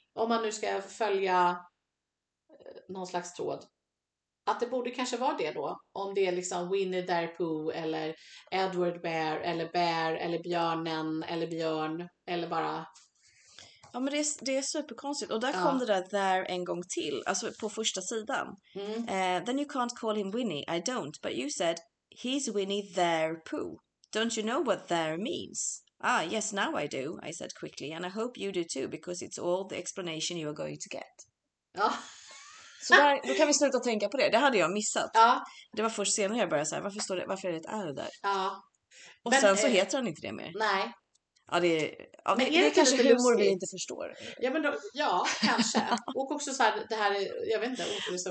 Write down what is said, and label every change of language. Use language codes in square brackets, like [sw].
[sv] Om man nu ska följa någon slags tråd. Att det borde kanske vara det då. Om det är liksom Winnie the Pooh eller Edward Bear eller Björnen eller Björn eller bara... Ja, men det är superkonstigt. Och där kom det där en gång till. Alltså på första sidan. Mm. [en] Then you can't call him Winnie. I don't. But you said, he's Winnie there poo. Don't you know what there means? Ah, yes, now I do, I said quickly. And I hope you do too, because it's all the explanation you are going to get. [sv] Ja. Så där, då kan vi sluta tänka på det. Det hade jag missat. Ja. Det var först senare jag började säga, varför är det ett R där? Ja. Och men, sen så heter han inte det mer. Nej. Ja, det är det kanske humor lustigt? Vi inte förstår. Ja, men då, ja, kanske. Och också så här, det här är, jag vet inte.